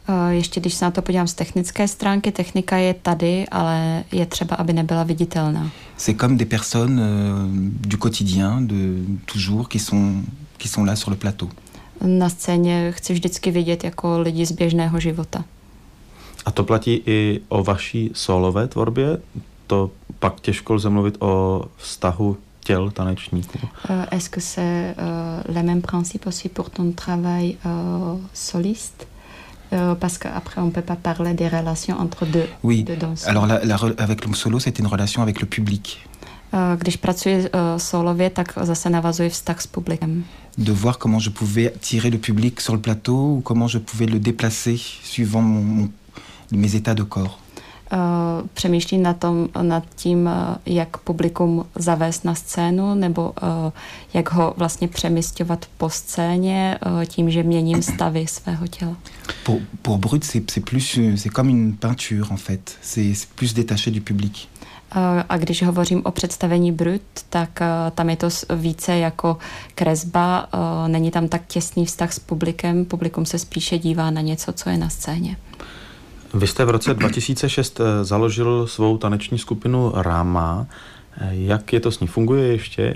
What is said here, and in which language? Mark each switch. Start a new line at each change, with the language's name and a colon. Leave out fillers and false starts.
Czech: Ještě když se na to podívám z technické stránky, technika je tady, ale je třeba, aby nebyla viditelná.
French: C'est comme des personnes du quotidien, de toujours, qui sont là sur le plateau.
Czech: Na scéně chci vždycky vidět jako lidi z běžného života. A to platí i o vaší solové tvorbě? To pak těžko lze mluvit o vztahu těl tanečníků.
French: Est-ce que c'est le même principe aussi pour ton travail soliste? Parce qu'après on ne peut pas parler des relations entre deux danseurs. Oui, deux danseurs. Alors avec le solo, c'est une relation avec le public.
Czech: Když pracuji solově, tak zase navazuji vztah s publikem.
French: De voir comment je pouvais tirer le public sur le plateau ou comment je pouvais le déplacer suivant mes états de corps.
Czech: Přemýšlím nad tím, jak publikum zavést na scénu nebo jak ho vlastně přemisťovat po scéně tím, že měním stavy svého těla.
French: Pour Brut, c'est comme une peinture en fait. C'est plus détaché du public.
Czech: A když hovořím o představení Brut, tak tam je to více jako kresba, není tam tak těsný vztah s publikem, publikum se spíše dívá na něco, co je na scéně. Vy jste v roce 2006 založil svou taneční skupinu Rama. Jak je to s ní? Funguje ještě?